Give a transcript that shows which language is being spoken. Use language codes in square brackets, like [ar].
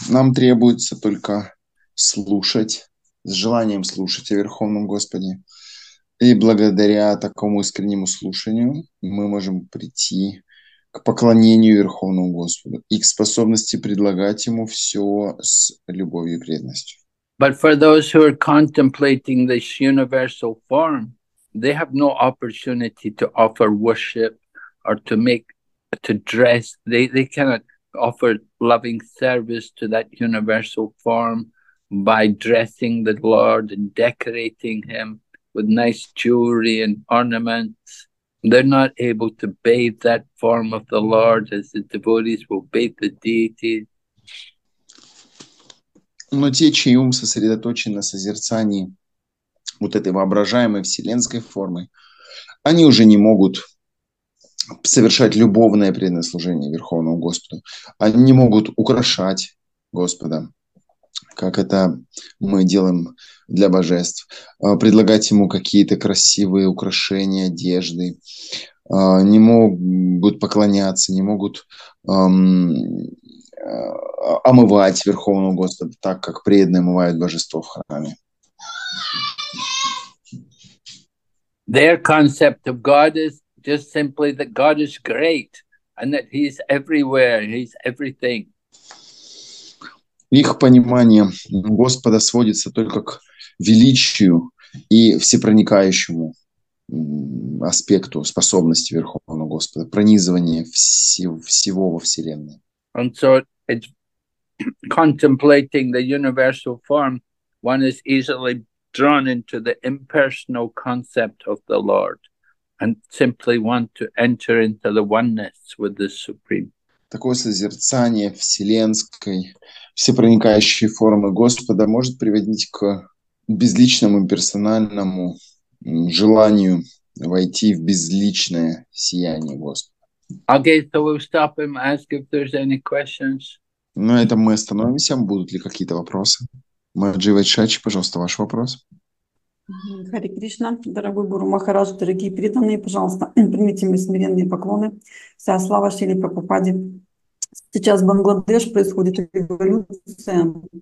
[ru] Нам требуется только слушать, с желанием слушать о Верховном Господе. И благодаря такому искреннему слушанию мы можем прийти к поклонению Верховному Господу и к способности предлагать Ему все с любовью и преданностью. [en] But for those who are contemplating this universal form, they have no opportunity to offer worship or to make, to dress. They cannot offer loving service to that universal form by dressing the Lord and decorating him with nice jewelry and ornaments. They're not able to bathe that form of the Lord as the devotees will bathe the deity. [ru] Но те, чей ум сосредоточен на созерцании вот этой воображаемой вселенской формы, они уже не могут совершать любовное преданное служение Верховному Господу. Они не могут украшать Господа, как это мы делаем для божеств, предлагать ему какие-то красивые украшения, одежды, не могут поклоняться, не могут омывать Верховного Господа так, как преданные омывают божество в храме. [en] Their concept of God is just simply that God is great and that he is everywhere, he is everything. [ru] Их понимание Господа сводится только к величию и всепроникающему аспекту способности Верховного Господа, пронизывание всего во Вселенной. [en] And so it's contemplating the universal form, one is easily drawn into the impersonal concept of the Lord and simply want to enter into the oneness with the Supreme. [ru] Такое созерцание вселенской, всепроникающей формы Господа может приводить к безличному персональному желанию войти в безличное сияние Господа. [en] Okay, so we'll stop and ask if there's any questions. [ru] На этом мы остановимся. Будут ли какие-то вопросы? Маджи Вайчачи, пожалуйста, ваш вопрос. Хари Кришна, дорогой Гуру Махарадж, дорогие преданные, пожалуйста, примите мои смиренные поклоны. Вся слава Шриле Прабхупаде. Сейчас в Бангладеш происходит революция.